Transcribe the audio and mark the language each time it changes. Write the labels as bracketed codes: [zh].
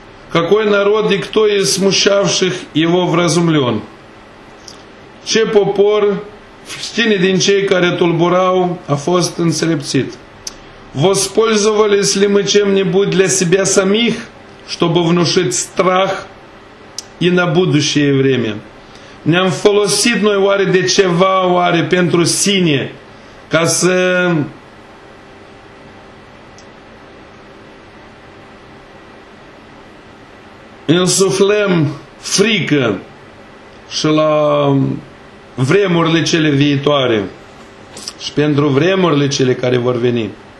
[ru] Какой народ и кто из смущавших его вразумлен? [ro] Ce popor, cine din cei care tulburau, a fost înțelepțit? [ru] Воспользовались ли мы чем-нибудь для себя самих, чтобы внушить страх и на будущее время? [ro] Ne-am folosit noi oare de ceva, oare pentru sine, ca să... însuflăm frică și la vremurile cele viitoare și pentru vremurile cele care vor veni.